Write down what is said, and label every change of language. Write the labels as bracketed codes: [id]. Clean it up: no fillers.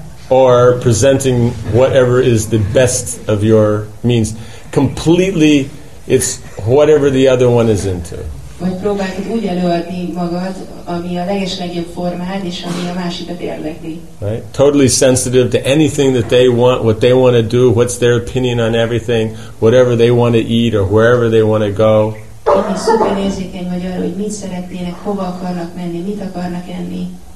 [en] Or presenting whatever is the best of your means. Completely, it's whatever the other one is into. [hu] Vagy próbáltad úgy előadni magad, ami a legeslegjobb formád, és ami a másikat érdekli. [en] Right? Totally sensitive to anything that they want, what they want to do, what's their opinion on everything, whatever they want to eat, or wherever they want to go. [hu] Én szuper érzékeny vagy arra, hogy mit szeretnének, hova akarnak menni, mit akarnak enni.